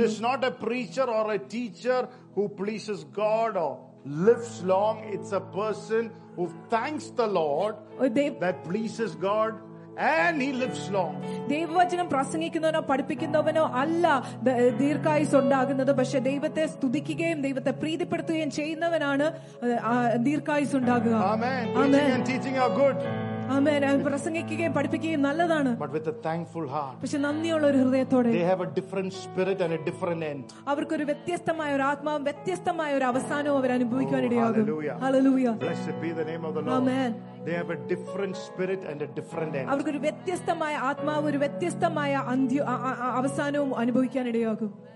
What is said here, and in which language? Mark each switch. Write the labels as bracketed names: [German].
[English] It is not a preacher or a teacher who pleases God or lives long. It's a person who thanks the Lord that pleases God. And he lives long. [Malayalam] ദൈവവചനം പ്രസംഗിക്കുന്നവനോ പഠിപ്പിക്കുന്നവനോ അല്ല ദീർഘായുസ് ഉണ്ടാകുന്നത് പക്ഷെ ദൈവത്തെ സ്തുതിക്കുകയും ദൈവത്തെ പ്രീതിപ്പെടുത്തുകയും ചെയ്യുന്നവനാണ് ദീർഘായുസ് ഉണ്ടാകുക. [English] Amen. Teaching and teaching are good. Amen. [Malayalam] പ്രസംഗിക്കുകയും പഠിപ്പിക്കുകയും നല്ലതാണ് പക്ഷെ നന്ദിയുള്ള ഒരു ഹൃദയത്തോടെ. [English] They have a different spirit and a different end. [Malayalam] അവർക്കൊരു വ്യത്യസ്തമായ ഒരു ആത്മാവും വ്യത്യസ്തമായ ഒരു അവസാനവും അവർ അനുഭവിക്കാനിടയാകും. [English] Hallelujah. Blessed be the name of the Lord. Amen. They have a different spirit and a different end. [Malayalam] അവർക്കൊരു വ്യത്യസ്തമായ ആത്മാവ് ഒരു വ്യത്യസ്തമായ അവസാനവും അനുഭവിക്കാനിടയാകും.